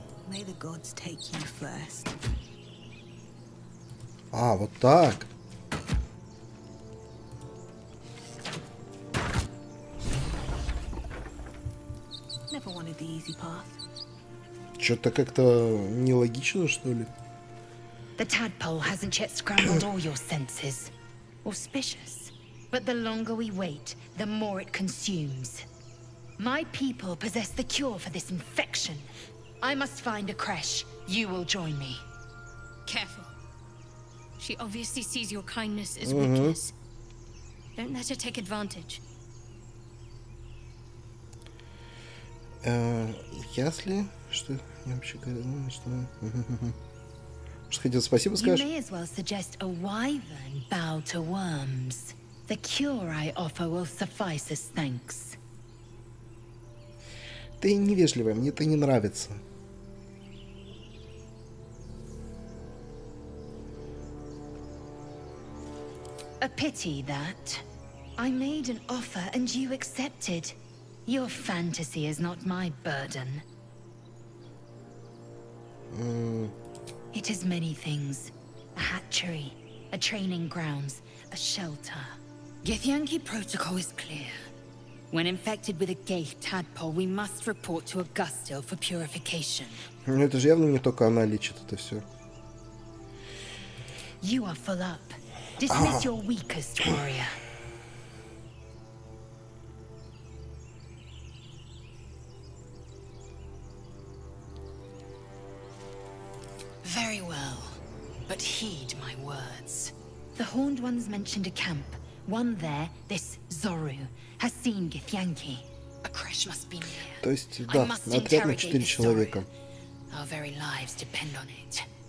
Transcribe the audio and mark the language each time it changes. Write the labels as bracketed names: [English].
[English] May the gods take you first. [Russian] А, вот так. [English] Never wanted the easy path. [Russian] Что-то как-то нелогично, что ли? [English] The tadpole hasn't yet scrambled all your senses. Auspicious. But the longer we wait, the more it consumes. My people possess the cure for this infection. I must find a creche. You will join me. Careful. She obviously sees your kindness as weakness. Don't let her take advantage. [Russian] Если что, я вообще говорю, что. Что хотел, спасибо скажешь? [English] You may as well suggest a wyvern bow to worms. The cure I offer will suffice as thanks. [Russian] Ты невежливая, мне это не нравится. [English] A pity that. I made an offer and you accepted. Your fantasy is not my burden. It is many things. A hatchery, a training grounds, a shelter. Githyanki protocol is clear. When infected with a geich tadpole, we must report to Augusto for purification. [Russian] Ну это же явно не только она лечит это все. [English] You are full up. Dismiss your weakest warrior. Very well. But heed my words. The Horned Ones mentioned a camp. One there, this Zoru, has seen Githyanki. A crash must be near. [Russian] То есть, да, отряд на 4 человека. [English] Our very lives depend on it.